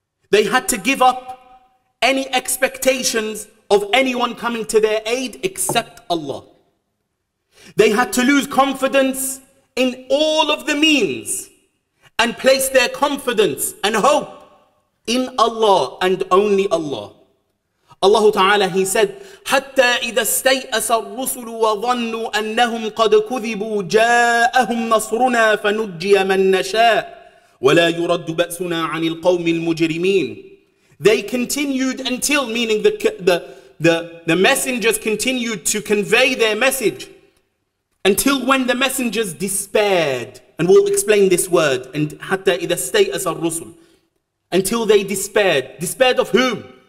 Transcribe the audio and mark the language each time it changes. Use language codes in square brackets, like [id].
[en] They had to give up any expectations of anyone coming to their aid except Allah. They had to lose confidence in all of the means and place their confidence and hope in Allah and only Allah. Allah Ta'ala, He said, [ar] حَتَّى إِذَا اسْتَيْأَسَ الرُّسُلُ وَظَنُّوا أَنَّهُمْ قَدْ كُذِبُوا جَاءَهُمْ نَصْرُنَا فَنُجِّيَ مَنْ نَشَاءُ وَلَا يُرَدُّ بَأْسُنَا عَنِ الْقَوْمِ الْمُجْرِمِينَ. [en] They continued until, meaning the messengers continued to convey their message until when the messengers despaired. And we'll explain this word, and [ar] حَتَّى إِذَا اسْتَيْأَسَ الرُّسُلُ, [en] until they despaired. Despaired of whom?